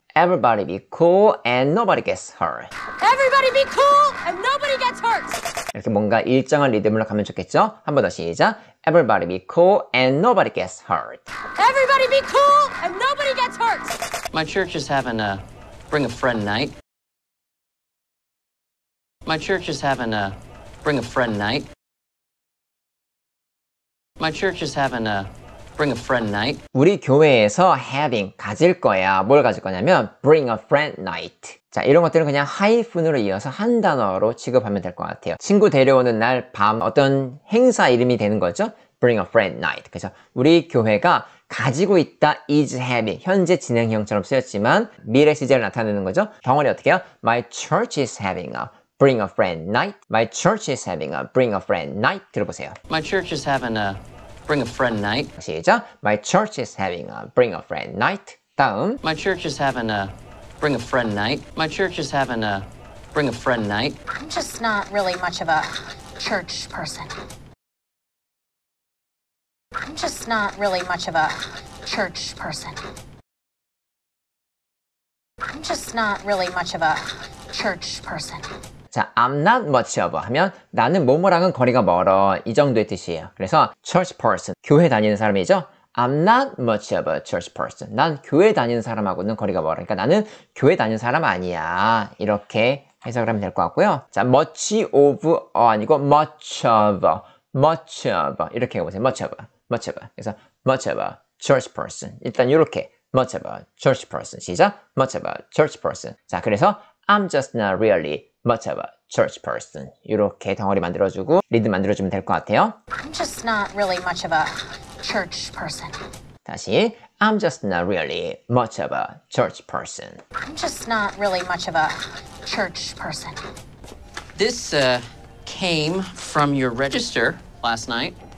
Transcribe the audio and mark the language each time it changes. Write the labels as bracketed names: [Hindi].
[English] Everybody be cool and nobody gets hurt. Everybody be cool and nobody gets hurt. [Korean] 이렇게 뭔가 일정한 리듬으로 가면 좋겠죠? 한 번 더 시작. [English] Everybody be cool and nobody gets hurt. Everybody be cool and nobody gets hurt. My church is having a bring a friend night. My church is having a bring a friend night. My church is having a bring a friend night. [Korean] 우리 교회에서 having 가질 거야. 뭘 가질 거냐면 [English] bring a friend night. [Korean] 자, 이런 것들은 그냥 하이픈으로 이어서 한 단어로 취급하면 될 것 같아요. 친구 데려오는 날, 밤, 어떤 행사 이름이 되는 거죠? [English] Bring a friend night. [Korean] 그래서 우리 교회가 가지고 있다, is having, 현재 진행형처럼 쓰였지만 미래 시제를 나타내는 거죠. 덩어리 어떻게 해요? [English] My church is having a bring a friend night. My church is having a bring a friend night. [Korean] 들어보세요. [English] My church is having a bring a friend night. [Korean] 시작. [English] My church is having a bring a friend night. [Korean] 다음. [English] My church is having a Bring a friend night. My church is having a bring a friend night. I'm just not really much of a church person. I'm just not really much of a church person. I'm just not really much of a church person. [Korean] 자, [English] I'm not much of a [Korean] 하면 나는 뭐뭐랑은 거리가 멀어 이 정도의 뜻이에요. 그래서 [English] church person [Korean] 교회 다니는 사람이죠. [English] I'm not much of a church person. [Korean] 난 교회 다니는 사람하고는 거리가 멀어. 그러니까 나는 교회 다니는 사람 아니야. 이렇게 해석을 하면 될 것 같고요. [English] 자, much of [Korean] 아니고 [English] much of, much of 이렇게 해보세요. Much of, much of. 그래서 much of a church person. [Korean] 일단 이렇게 [English] much of a church person. [Korean] 시작. [English] Much of a church person. [Korean] 자, 그래서 [English] I'm just not really much of a church person. [Korean] 이렇게 덩어리 만들어주고 리듬 만들어주면 될 것 같아요. [English] I'm just not really much of a church person. 다시 I'm just not really much of a church person. I'm just not really much of a church person. This came from your register last night.